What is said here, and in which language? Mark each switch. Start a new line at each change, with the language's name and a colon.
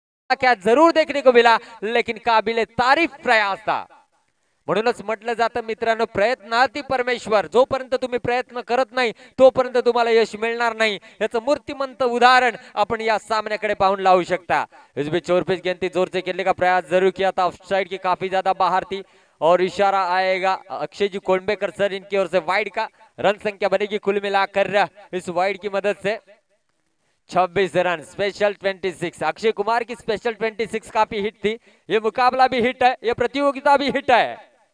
Hindi: क्या जरूर देखने को मिला लेकिन काबिले तारीफ प्रयास था।
Marathi: म्हणूनच म्हटलं जातं मित्रांनो, प्रयत्नार्थी परमेश्वर, जोपर्यंत तुम्ही प्रयत्न करत नाही तोपर्यंत तुम्हाला यश मिळणार नाही, याचं मूर्तिमंत उदाहरण आपण या सामन्याकडे पाहून लावू शकता।
Hindi: इस बीच चोरपीस गेंदी जोरचे खेळले का प्रयास जरूर किया था, ऑफसाइड की काफी ज्यादा बाहर थी। और इशारा आएगा अक्षय जी कोंडबेकर सर इनकी ओर से वाइड का। रन संख्या बनेगी कुल मिलाकर इस वाइड की मदद से 26 रन, स्पेशल 26। अक्षय कुमार की स्पेशल 26 काफी हिट थी, ये मुकाबला भी हिट है, ये प्रतियोगिता भी हिट है।